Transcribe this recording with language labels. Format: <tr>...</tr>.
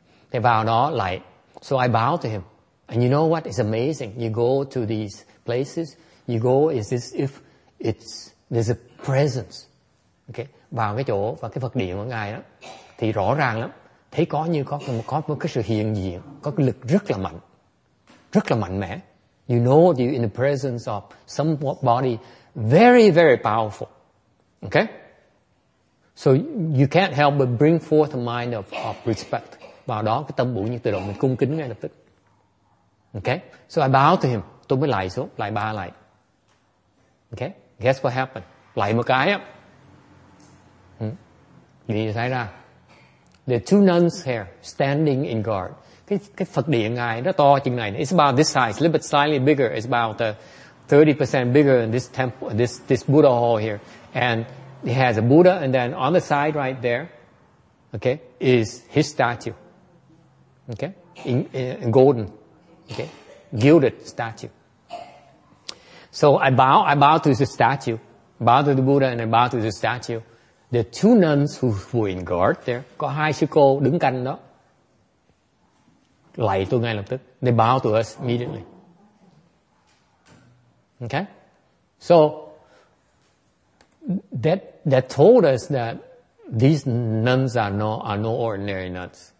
<vi>Thì vào đó lại,</vi> <en>so I bow to him, and you know what, it's amazing, you go to these places, you go is if it's there's a presence,</en> <vi>okay, vào cái chỗ và cái Phật điện của ngài đó thì rõ ràng lắm, thấy có như có một cái sự hiện diện, có cái lực rất là mạnh. Rất là mạnh mẽ.</vi> <en>You know you're in the presence of some body very, very powerful. Okay? So you can't help but bring forth a mind of respect.</en> <vi>Vào đó cái tâm bụi như tự động mình cung kính ngay lập tức. Okay?</vi> <en>So I bow to him.</en> <vi>Tôi mới lại xuống, lại ba lại.</vi> <en>Okay? Guess what happened?</en> <vi>Lại một cái á. Gì xảy ra?</vi> <en>There are two nuns here standing in guard.</en> <vi>Cái Phật điện ngài nó to chừng này,</vi> <en>it's about this size, a little bit slightly bigger, it's about 30% bigger than this temple, this Buddha hall here, and it has a Buddha, and then on the side right there, okay, is his statue, okay, in golden, okay, gilded statue. So I bow to the statue, bow to the Buddha and I bow to the statue. The two nuns who were in guard there,</en> <vi>có hai sư cô đứng canh đó, lạy tôi ngay lập tức.</vi> <en>They bow to us immediately. Okay? So that told us that these nuns are no ordinary nuns.</en>